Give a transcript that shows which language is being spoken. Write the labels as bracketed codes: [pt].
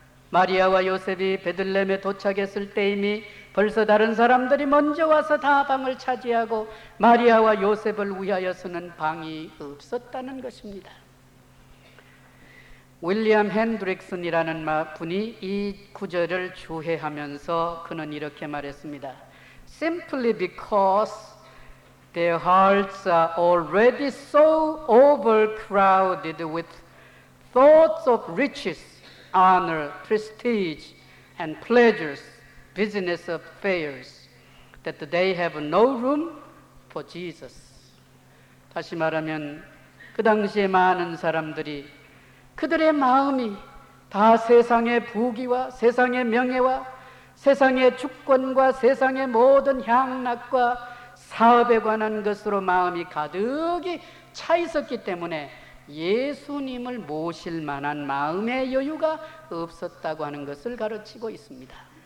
[ko] 마리아와 요셉이 베들레헴에 도착했을 때 이미 벌써 다른 사람들이 먼저 와서 다 방을 차지하고 마리아와 요셉을 위하여서는 방이 없었다는 것입니다. 윌리엄 핸드릭슨이라는 분이 이 구절을 주해하면서 그는 이렇게 말했습니다. [en] Simply because their hearts are already so overcrowded with thoughts of riches, honor, prestige, and pleasures, business affairs, that they have no room for Jesus. [ko] 다시 말하면 그 당시에 많은 사람들이 그들의 마음이 다 세상의 부귀와 세상의 명예와 세상의 주권과 세상의 모든 향락과 사업에 관한 것으로 마음이 가득히 차 있었기 때문에 예수님을 모실 만한 마음의 여유가 없었다고 하는 것을 가르치고 있습니다.